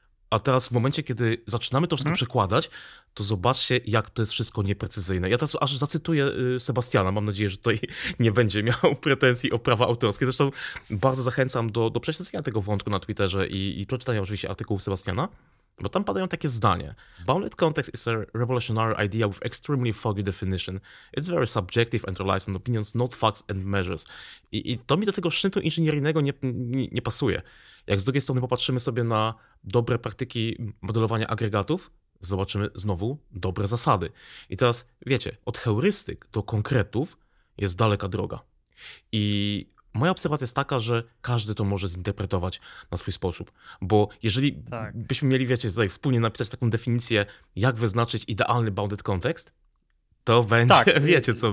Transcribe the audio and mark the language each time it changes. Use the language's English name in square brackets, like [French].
[Polish] A teraz w momencie, kiedy zaczynamy to wszystko przekładać, to zobaczcie, jak to jest wszystko nieprecyzyjne. Ja teraz aż zacytuję Sebastiana, mam nadzieję, że tutaj nie będzie miał pretensji o prawa autorskie. Zresztą bardzo zachęcam do prześledzenia tego wątku na Twitterze i przeczytania oczywiście artykułów Sebastiana, bo tam padają takie zdanie. [English] Bounded context is a revolutionary idea with extremely foggy definition. It's very subjective and relies on opinions, not facts and measures. [Polish] I to mi do tego sznytu inżynieryjnego nie pasuje. Jak z drugiej strony popatrzymy sobie na dobre praktyki modelowania agregatów, zobaczymy znowu dobre zasady. I teraz, wiecie, od heurystyk do konkretów jest daleka droga. I moja obserwacja jest taka, że każdy to może zinterpretować na swój sposób, bo jeżeli byśmy mieli, wiecie, tutaj wspólnie napisać taką definicję, jak wyznaczyć idealny bounded context, to będzie, wiecie, co